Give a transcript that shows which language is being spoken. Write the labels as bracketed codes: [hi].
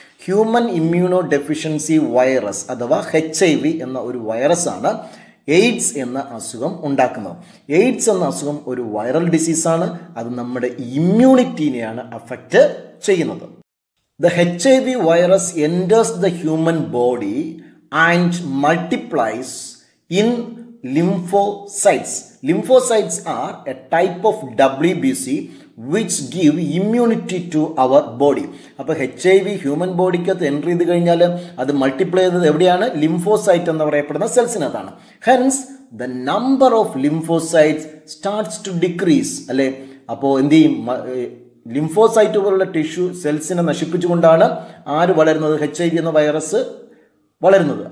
[ml] Human immuno deficiency virus അഥവാ HIV എന്ന ഒരു വൈറസാണ് എയ്ഡ്സ് എന്ന അസുഖം ഉണ്ടാക്കുന്നത്. എയ്ഡ്സ് എന്ന അസുഖം ഒരു വൈറൽ ഡിസീസാണ്, അത് നമ്മുടെ ഇമ്മ്യൂണിറ്റിനെയാണ് അഫക്റ്റ് ചെയ്യുന്നത്. [en] The HIV virus enters the human body and multiplies in lymphocytes. Lymphocytes are a type of WBC which give immunity to our body. [ml] അപ്പോൾ HIV ഹ്യൂമൻ ബോഡിക്കകത്ത് എൻട്രി ചെയ്ത് കഴിഞ്ഞാൽ അത് മൾട്ടിപ്ലൈ ചെയ്തത് എവിടെയാണ്, ലിംഫോസൈറ്റ് എന്ന് പറയപ്പെടുന്ന സെൽസിനകത്താണ്. [en] Hence the number of lymphocytes starts to decrease. [ml] അല്ലെ, അപ്പോൾ എന്ത് ചെയ്യും, ലിംഫോസൈറ്റ് പോലുള്ള ടിഷ്യൂ സെൽസിനെ നശിപ്പിച്ചുകൊണ്ടാണ് ആര് വളരുന്നത്, HIV എന്ന വൈറസ് വളരുന്നത്.